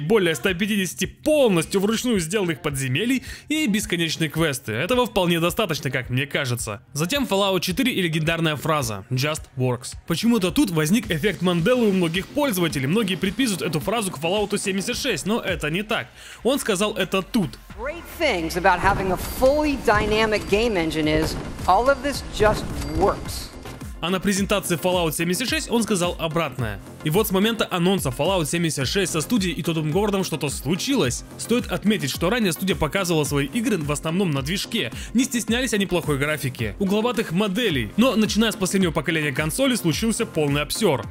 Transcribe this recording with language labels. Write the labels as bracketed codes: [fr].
[ru] Более 150 полностью вручную сделанных подземелий и бесконечные квесты. Этого вполне достаточно, как мне кажется. Затем Fallout 4 и легендарная фраза. [en] Just works. [ru] Почему-то тут возник эффект эффект Манделы у многих пользователей. Многие приписывают эту фразу к Fallout 76, но это не так. Он сказал это тут. [en] Great things about having a fully dynamic game engine is all of this just works. [ru] А на презентации Fallout 76 он сказал обратное. И вот с момента анонса Fallout 76 со студией и Тоддом Гордоном что-то случилось. Стоит отметить, что ранее студия показывала свои игры в основном на движке, не стеснялись они плохой графики, угловатых моделей. Но начиная с последнего поколения консоли случился полный обсёр.